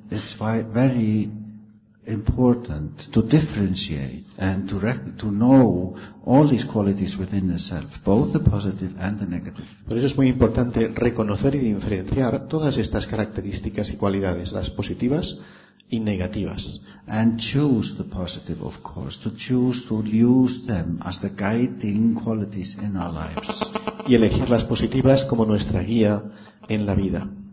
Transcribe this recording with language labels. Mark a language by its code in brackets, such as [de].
[en] It's very important to differentiate and to know all these qualities within the self, both the positive and the negative. [es] Por eso es muy importante reconocer y diferenciar todas estas características y cualidades, las positivas y negativas. [en] And choose the positive, of course, to choose to use them as the guiding qualities in our lives. [es] Y elegir las positivas como nuestra guía en la vida.